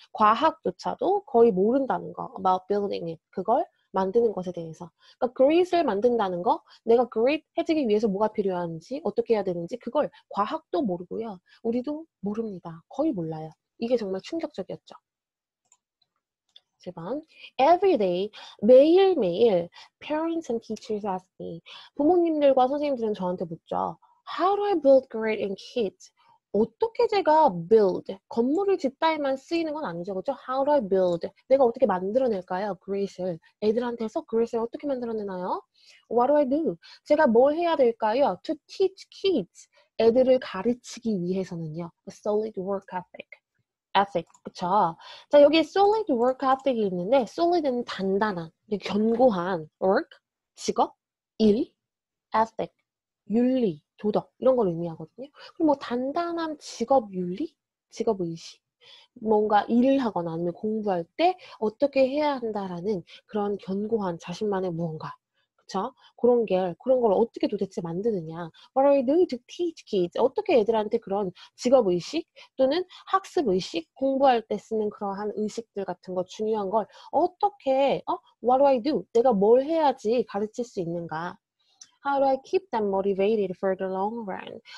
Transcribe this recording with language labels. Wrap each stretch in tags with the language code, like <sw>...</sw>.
<ko>과학조차도 거의 모른다는 거.</ko> <en>About building it.</en> <ko>그걸 만드는 것에 대해서. 그러니까 grid을 만든다는 거. 내가 grid 해지기 위해서 뭐가 필요한지, 어떻게 해야 되는지 그걸 과학도 모르고요. 우리도 모릅니다. 거의 몰라요. 이게 정말 충격적이었죠. 7번.</ko> <en>Every day,</en> <ko>매일매일</ko> <en>parents and teachers ask me.</en> <ko>부모님들과 선생님들은 저한테 묻죠.</ko> <en>How do I build grid in kids?</en> <ko>어떻게 제가 build, 건물을 짓다에만 쓰이는 건 아니죠. 그렇죠?</ko> <en>How do I build?</en> <ko>내가 어떻게 만들어낼까요? grid을. 애들한테서 grid을 어떻게 만들어내나요?</ko> <en>What do I do?</en> <ko>제가 뭘 해야 될까요?</ko> <en>To teach kids.</en> <ko>애들을 가르치기 위해서는요.</ko> <en>A solid work ethic. ethic,</en> <ko>그쵸? 자, 여기 solid work ethic이 있는데, solid은 단단한, 견고한, work, 직업, 일, ethic, 윤리, 도덕, 이런 걸 의미하거든요. 그럼 뭐, 단단한 직업 윤리? 직업 의식? 뭔가 일을 하거나 아니면 공부할 때 어떻게 해야 한다라는 그런 견고한 자신만의 무언가. 그쵸? 그런 걸 어떻게 도대체 만드느냐.</ko> <en>What are you doing to teach kids?</en> <ko>어떻게 애들한테 그런 직업의식 또는 학습의식, 공부할 때 쓰는 그러한 의식들 같은 거, 중요한 걸 어떻게,</ko> <en>What do I do?</en> <ko>내가 뭘 해야지 가르칠 수 있는가?</ko> <en>How do I keep them motivated for the long run?</en>